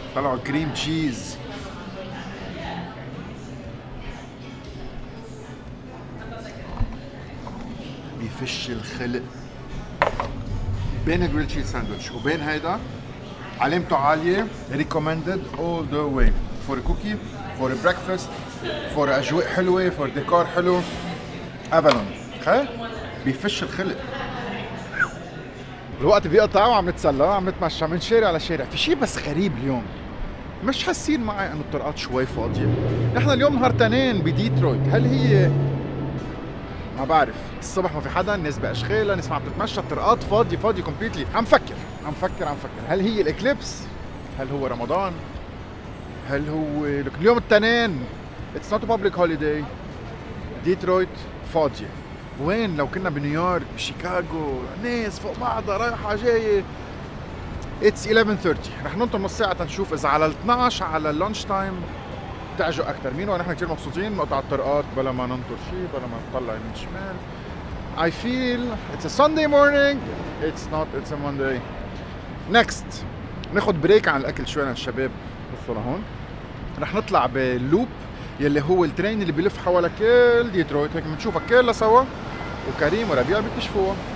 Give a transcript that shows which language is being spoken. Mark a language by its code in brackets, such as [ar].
[ar] طلعوا كريم تشيز. بيفش الخلق بين الجريل تشيز ساندويتش وبين هيدا. علامته عالية. [en] Recommended all the way. For a cookie, for a breakfast, for [ar] أجواء حلوة, [en] for decor [ar] حلو. Avalon. بيفش الخلق. الوقت بيقطع وعم نتسلى وعم نتمشى من شارع لشارع. في شيء بس غريب اليوم، مش حاسين معي انه الطرقات شوي فاضيه. نحن اليوم نهار تنين بديترويت، هل هي ما بعرف الصبح ما في حدا، الناس باشغالها، الناس ما عم تتمشى، الطرقات فاضيه فاضيه [en] Completely. [ar] عم فكر هل هي الاكليبس، هل هو رمضان، هل هو اليوم التنين. [en] It's not public holiday. [ar] ديترويت فاضيه، وين لو كنا بنيويورك بشيكاغو، ناس فوق بعضها رايحة جاية. [en] It's 11:30. [ar] رح ننطر نص ساعة نشوف إذا على الـ 12 على [en] اللونش تايم [ar] بتعجو أكتر مين. ونحن كتير مبسوطين مقطع الطرقات بلا ما ننطر شيء، بلا ما نطلع من الشمال. [en] I feel it's a Sunday morning. It's not, it's a Monday. Next [ar] ناخد بريك عن الأكل شوية للشباب. بصوا لهون رح نطلع باللوب يلي هو الترين اللي بيلف حول كل ديترويت. هيك بنشوفها كلها سوا، وكريم وربيع بيكتشفوها.